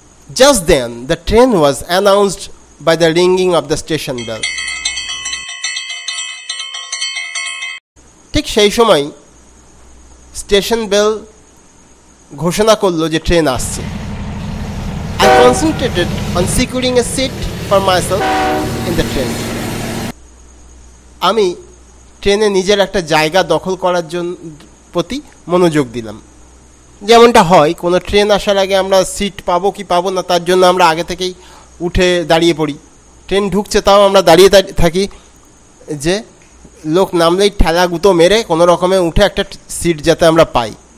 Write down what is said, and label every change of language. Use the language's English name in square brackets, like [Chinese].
[English] Just then the train was announced by the ringing of the station bell. [Bangla] ঠিক সেই সময় station bell ঘোষণা করলো যে ট্রেন আসছে। [English] I concentrated on securing a seat for myself in the train. [Bangla] আমি ট্রেনে নিজের একটা জায়গা দখল করার জন্য প্রতি মনোযোগ দিলাম। যেমনটা হয় কোনো ট্রেন আসার আগে আমরা সিট পাবো কি পাবো না তার জন্য আমরা আগে থেকেই উঠে দাঁড়িয়ে পড়ি, ট্রেন ঢুকছে তাও আমরা দাঁড়িয়ে থাকি যে লোক নামলেই ঠেলা গুঁতো মেরে কোনো রকমে উঠে একটা সিট যাতে আমরা পাই।